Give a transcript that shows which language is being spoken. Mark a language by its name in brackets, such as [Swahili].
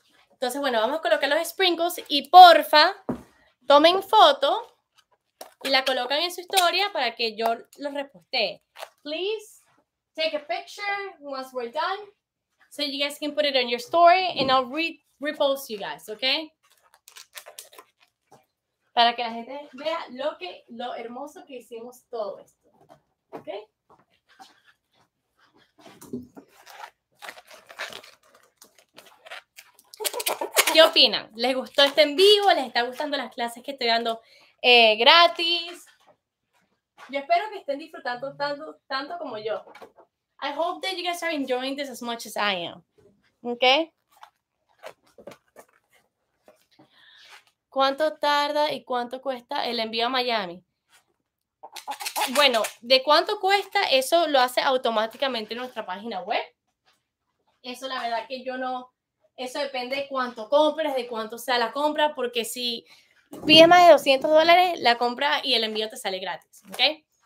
[Spanish] Entonces, bueno, vamos a colocar los sprinkles y porfa, tomen foto y la colocan en su historia para que yo los repostee. [English] Please take a picture once we're done so you guys can put it on your story and I'll repost you guys, ¿ok? [Spanish] Para que la gente vea lo hermoso que hicimos todo esto, ¿ok? ¿Qué opinan? ¿Les gustó este en vivo? ¿Les está gustando las clases que estoy dando gratis? Yo espero que estén disfrutando tanto como yo. [English] I hope that you guys are enjoying this as much as I am. ¿Ok? [Spanish] ¿Cuánto tarda y cuánto cuesta el envío a Miami? Bueno, ¿de cuánto cuesta? Eso lo hace automáticamente en nuestra página web. Eso la verdad que yo no... Eso depende de cuánto compres, de cuánto sea la compra, porque si pides más de $200, la compra y el envío te sale gratis, ¿ok?